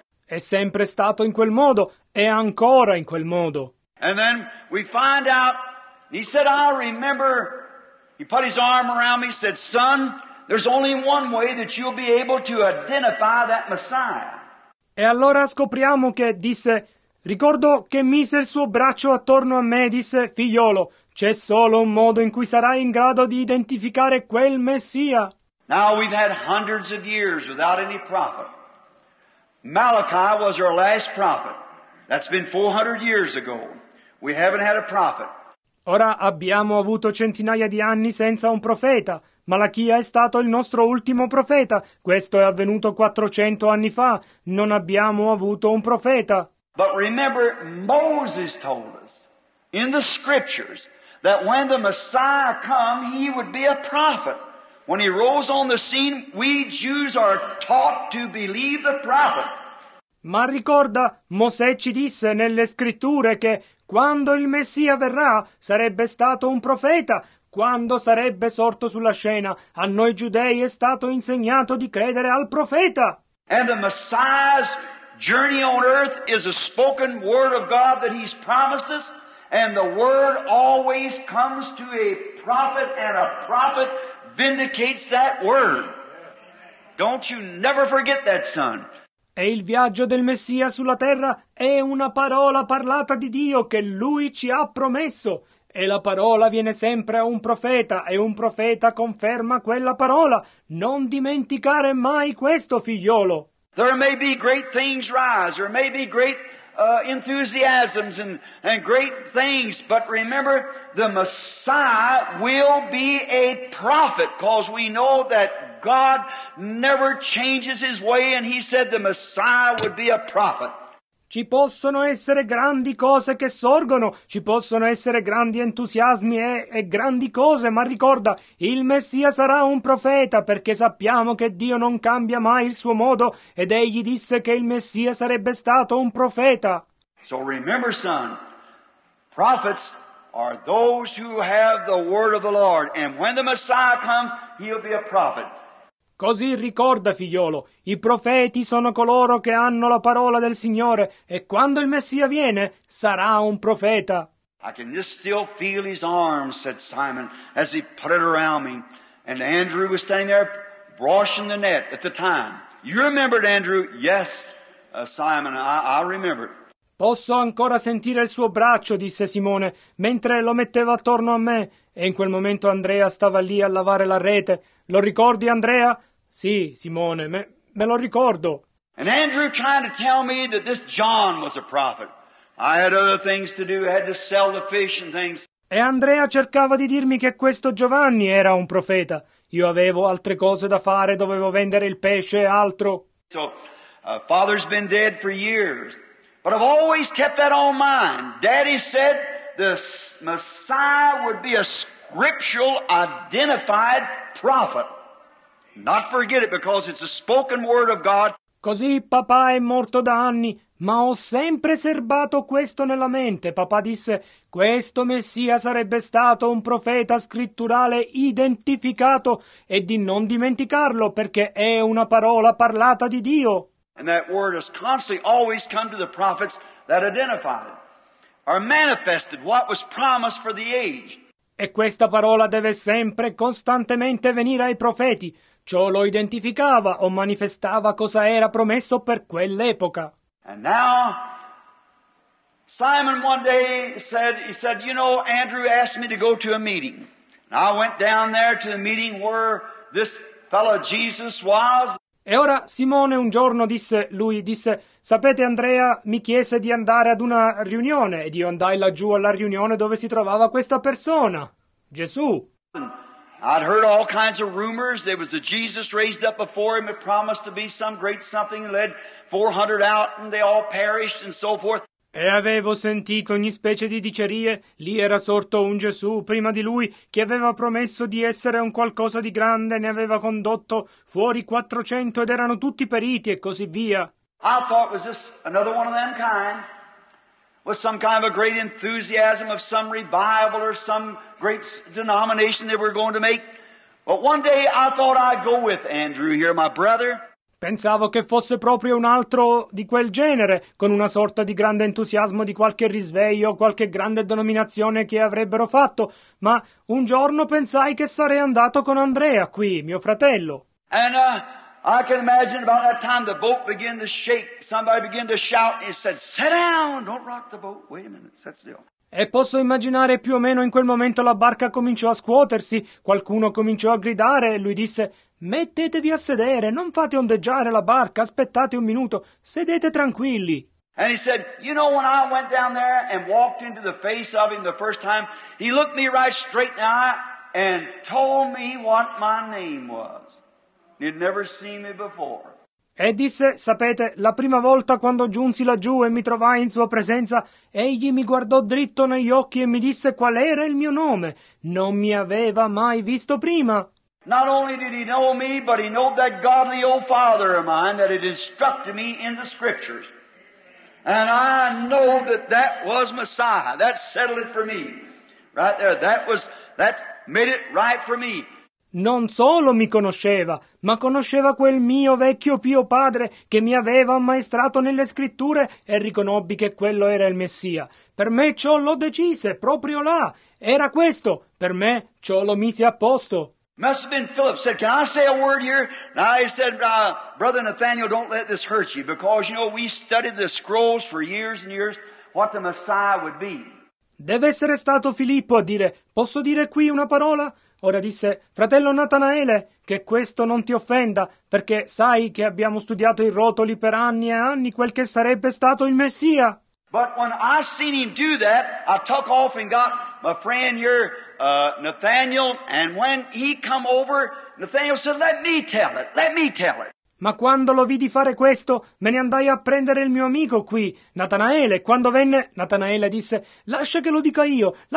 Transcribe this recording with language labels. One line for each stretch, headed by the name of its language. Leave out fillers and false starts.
Italian: È sempre stato in quel modo. È ancora in quel modo.
English: And then we find out, he said, "I remember," he put his arm around me, said, "Son, there's only one way that you'll be able to identify that Messiah."
Italian: E allora scopriamo che, disse, ricordo che mise il suo braccio attorno a me e disse, "Figliolo, c'è solo un modo in cui sarai in grado di identificare quel Messia."
English: Now we've had hundreds of years without any prophet. Malachi was our last prophet. That's been 400 years ago. We haven't had a prophet.
Italian: Ora abbiamo avuto centinaia di anni senza un profeta. Malachia è stato il nostro ultimo profeta. Questo è avvenuto 400 anni fa. Non abbiamo avuto un profeta.
English: But remember, Moses told us in the scriptures that when the Messiah come, he would be a prophet. When he rose on the scene, we Jews are taught to believe the prophet.
Italian: Ma ricorda, Mosè ci disse nelle scritture che quando il Messia verrà, sarebbe stato un profeta. Quando sarebbe sorto sulla scena, a noi giudei è stato insegnato di credere al profeta.
English: And the Messiah's journey on earth is a spoken word of God that he's promised us. And the word always comes to a prophet, and a prophet vindicates that word. Don't you never forget that, son.
Italian: E il viaggio del Messia sulla terra è una parola parlata di Dio che Lui ci ha promesso. E la parola viene sempre a un profeta, e un profeta conferma quella parola. Non dimenticare mai questo, figliolo.
English: There may be great things rise, there may be great enthusiasms and great things, but remember, the Messiah will be a prophet, because we know that God never changes his way, and he said the Messiah would be a prophet.
Italian: Ci possono essere grandi cose che sorgono, ci possono essere grandi entusiasmi e grandi cose, ma ricorda, il Messia sarà un profeta, perché sappiamo che Dio non cambia mai il suo modo, ed egli disse che il Messia sarebbe stato un profeta.
English: So remember, son, prophets are those who have the word of the Lord, and when the Messiah comes, he'll be a prophet.
Italian: Così ricorda, figliolo, i profeti sono coloro che hanno la parola del Signore, e quando il Messia viene, sarà un profeta.
English: I can just still feel his arms, said Simon, as he put it around me. And Andrew was standing there brushing the net at the time. You remembered, Andrew? Yes, Simon, I remember.
Italian: Posso ancora sentire il suo braccio, disse Simone, mentre lo metteva attorno a me. E in quel momento Andrea stava lì a lavare la rete. Lo ricordi, Andrea? Sì, Simone, me lo ricordo.
English: And Andrew tried to tell me that this John was a prophet. I had other things to do, I had to sell the fish and things.
Italian: E Andrea cercava di dirmi che questo Giovanni era un profeta. Io avevo altre cose da fare, dovevo vendere il pesce e altro.
English: So, father's been dead for years. But I've always kept that on mind. Daddy said the Messiah would be a scriptural identified prophet. Not forget it, because it's a spoken word of God.
Italian: Così papà è morto da anni, ma ho sempre serbato questo nella mente. Papà disse, questo Messia sarebbe stato un profeta scritturale identificato, e di non dimenticarlo, perché è una parola parlata di Dio.
English: And that word has constantly always come to the prophets that identified it. Are manifested what was promised for the age.
Italian: E questa parola deve sempre costantemente venire ai profeti. Ciò lo identificava o manifestava cosa era promesso per quell'epoca.
English: And now Simon one day said, you know, Andrew asked me to go to a meeting. And I went down there to the meeting where this fellow Jesus was.
Italian: E ora Simone un giorno disse, sapete, Andrea mi chiese di andare ad una riunione, ed io andai laggiù alla riunione dove si trovava questa persona, Gesù.
English: I'd heard all kinds of rumors. There was a Jesus raised up before him, had promised to be some great something, led 400 out and they all perished and so forth.
Italian: E avevo sentito ogni specie di dicerie, lì era sorto un Gesù prima di lui che aveva promesso di essere un qualcosa di grande, ne aveva condotto fuori 400 ed erano tutti periti e così via.
English: I thought it was just another one of them kind, with some kind of a great enthusiasm of some revival or some great denomination they were going to make. But one day I thought I'd go with Andrew here, my brother.
Italian: Pensavo che fosse proprio un altro di quel genere, con una sorta di grande entusiasmo di qualche risveglio, qualche grande denominazione che avrebbero fatto, ma un giorno pensai che sarei andato con Andrea qui, mio fratello.
English: And I can imagine about that time the boat began to shake, somebody began to shout, and he said, sit down, don't rock the boat, wait a minute, sit still.
Italian: E posso immaginare più o meno in quel momento la barca cominciò a scuotersi, qualcuno cominciò a gridare e lui disse, mettetevi a sedere, non fate ondeggiare la barca, aspettate un minuto, sedete tranquilli.
English: And he said, you know, when I went down there and walked into the face of him the first time, he looked me right straight in the eye and told me what my name was. He'd never seen me before.
Italian: E disse, sapete, la prima volta quando giunsi laggiù e mi trovai in sua presenza, egli mi guardò dritto negli occhi e mi disse qual era il mio nome. Non mi aveva mai visto prima.
English: Not only did he know me, but he knew that godly old father of mine that had instructed me in the scriptures. And I know that that was Messiah. That settled it for me. Right there, that made it right for me.
Italian: Non solo mi conosceva, ma conosceva quel mio vecchio pio padre che mi aveva ammaestrato nelle scritture e riconobbi che quello era il Messia. Per me ciò lo decise, proprio là. Era questo. Per me ciò lo mise a posto.
English: Must have been Philip said, can I say a word here? And I said, Brother Nathaniel, don't let this hurt you, because, you know, we studied the scrolls for years and years, what the Messiah would be.
Italian: Deve essere stato Filippo a dire, posso dire qui una parola? Ora disse, fratello Natanaele, che questo non ti offenda, perché sai che abbiamo studiato i rotoli per anni e anni quel che sarebbe stato il Messia.
English: But when I seen him do that, I took off and got my friend here, Nathaniel, and when he come over, Nathaniel said, let me tell it.
Italian: Ma quando lo vidi fare questo, me ne andai a prendere il mio amico qui, Natanaele. Quando venne, Natanaele disse, lascia che lo dica io.